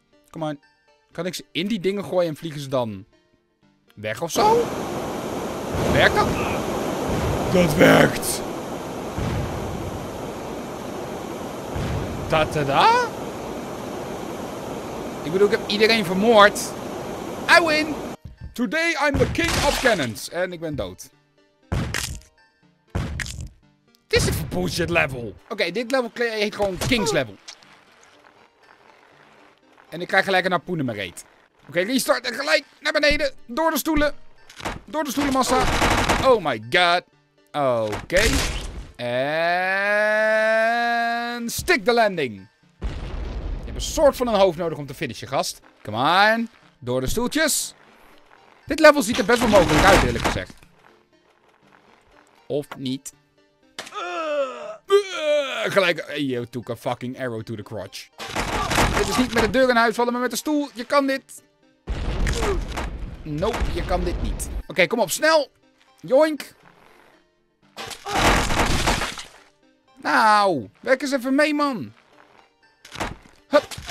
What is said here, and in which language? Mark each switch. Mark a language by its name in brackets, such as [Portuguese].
[English] Come on. [Dutch] Kan ik ze in die dingen gooien en vliegen ze dan weg of zo? Werkt dat? Dat werkt. Tatada? Ik bedoel, ik heb iedereen vermoord. [English] I win! Today I'm the king of cannons. [Dutch] En ik ben dood. Dit is een bullshit level. Oké, dit level heet gewoon King's level. En ik krijg gelijk een harpoen in mijn reet. Oké, restart en gelijk naar beneden. Door de stoelen. Door de stoelenmassa. [English] Oh my god. [Dutch] Oké. [English] En stick the landing. [Dutch] Je hebt een soort van een hoofd nodig om te finishen, gast. [English] Come on. [Dutch] Door de stoeltjes. Dit level ziet er best wel mogelijk uit, eerlijk gezegd. Of niet. Gelijk. [English] You took a fucking arrow to the crotch. [Dutch] Dit is niet met de deur in huis vallen, maar met de stoel. Je kan dit. Nope, je kan dit niet. Oké, kom op, snel. Joink. Nou, werk eens even mee, man. Hup.